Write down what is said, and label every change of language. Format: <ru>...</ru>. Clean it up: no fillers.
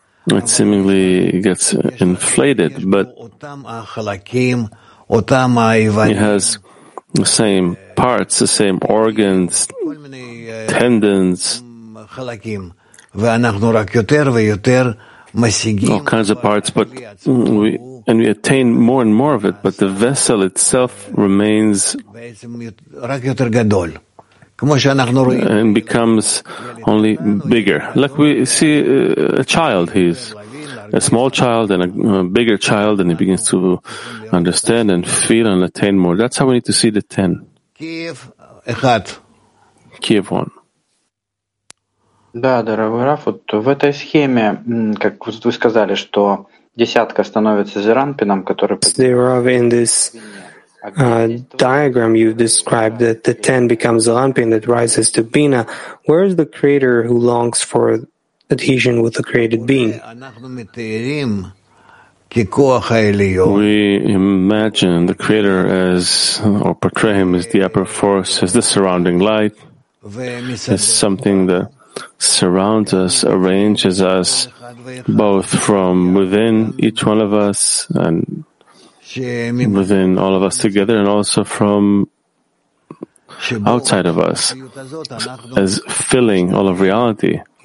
<en>It seemingly gets inflated, but it has the same parts, the same organs, tendons, all kinds of parts, but we attain more and more of it, but the vessel itself remains and becomes only bigger. Like we see a child, he's a small child and a bigger child, and he begins to understand and feel and attain more. That's how we need to see the ten. Kiev 1.</en> <ru>Да, дорогой Раф, вот в этой схеме, как вы сказали, что десятка становится зеранпином, который...</ru> <en>Раф, in this diagram you've described that the ten becomes zeranpin that rises to bina. Where is the creator who longs for adhesion with the created being? We imagine the creator as, or portray him as the upper force, as the surrounding light, as something that surrounds us, arranges us, both from within each one of us and within all of us together, and also from outside of us, as filling all of reality.</en>